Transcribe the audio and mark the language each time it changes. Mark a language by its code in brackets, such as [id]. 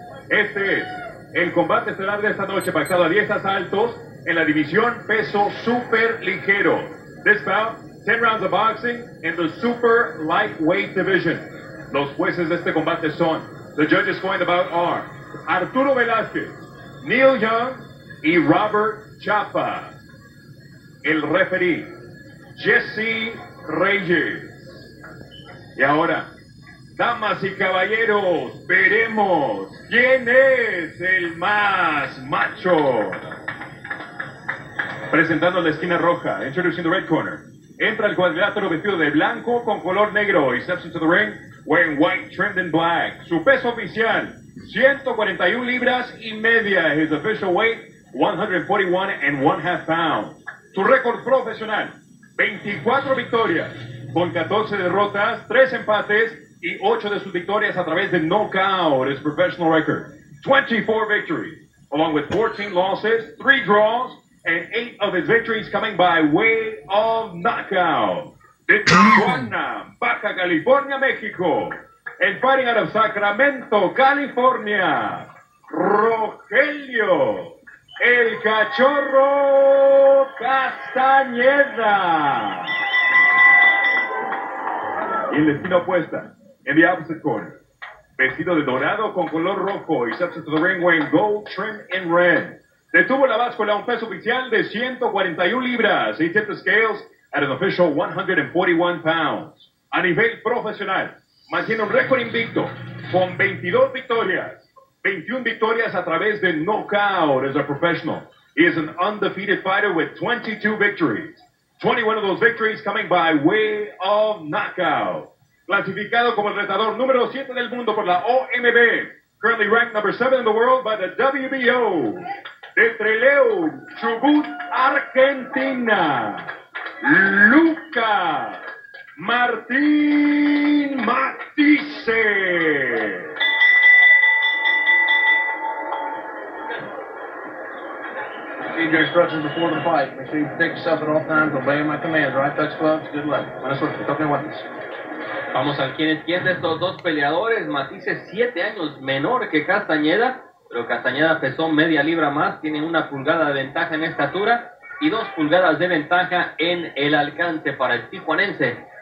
[es] Este es el combate estelar de esta noche, pactado a 10 asaltos en la división peso super ligero. [en] This bout, 10 rounds of boxing in the super lightweight division. [es] Los jueces de este combate son, [en] the judges going about are, [es] Arturo Velázquez, Neil Young y Robert Chapa. El referee, Jesse Reyes. Y ahora, damas y caballeros, veremos quién es el más macho. Presentando la esquina roja, [en] introducing the red corner. [es] Entra el cuadrilátero vestido de blanco con color negro. [en] He steps into the ring wearing white trimmed in black. [es] Su peso oficial, 141 libras y media. [en] His official weight, 141 and one half pounds. [es] Su récord profesional, 24 victorias con 14 derrotas, 3 empates y 8 de sus victorias a través de knockout. [en] His professional record, 24 victories, along with 14 losses, 3 draws, and 8 of his victories coming by way of knockout. [es] De Tijuana, Baja California, México, [en] and fighting out of Sacramento, California, Rogelio El Cachorro Castañeda. [es] Y en la esquina opuesta, [en] in the opposite corner, [es] vestido de dorado con color rojo, y [en] steps into the ring wearing gold trim in red. [es] Detuvo la báscula a un peso oficial de 141 libras. [en] He tipped the scales at an official 141 pounds. [es] A nivel profesional, mantiene un récord invicto con 22 victorias. 21 victorias a través de knockout [en] as a professional. He is an undefeated fighter with 22 victories. 21 of those victories coming by way of knockout. [es] Clasificado como el retador número 7 del mundo por la OMB. [en] Currently ranked number 7 in the world by the WBO. [es] De Trelew, Chubut, Argentina. Luca Martín Matisse. [en] Your instructions before the fight. Make sure you protect yourself at all times. Obey my commands. Right, touch gloves. Good luck. [es] Buena suerte. Toquen guantes. Vamos a ver quién es quién de estos dos peleadores. Matisse, 7 años menor que Castañeda, pero Castañeda pesó media libra más. Tiene una pulgada de ventaja en estatura y 2 pulgadas de ventaja en el alcance para el tijuanense.